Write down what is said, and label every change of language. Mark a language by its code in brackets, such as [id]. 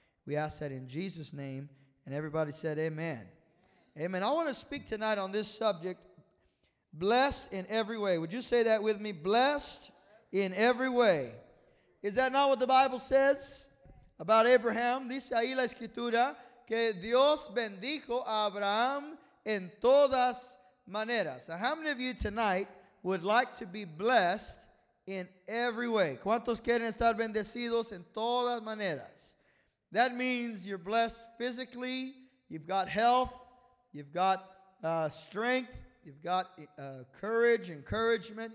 [en] We ask that in Jesus' name, and everybody said amen. Amen. I want to speak tonight on this subject. Blessed in every way. Would you say that with me? Blessed in every way. Is that not what the Bible says about Abraham? [es] Dice ahí la escritura que Dios bendijo a Abraham en todas maneras. [en] Now, how many of you tonight would like to be blessed in every way? [es] ¿Cuántos quieren estar bendecidos en todas maneras? [en] That means you're blessed physically. You've got health. You've got strength. You've got courage, encouragement.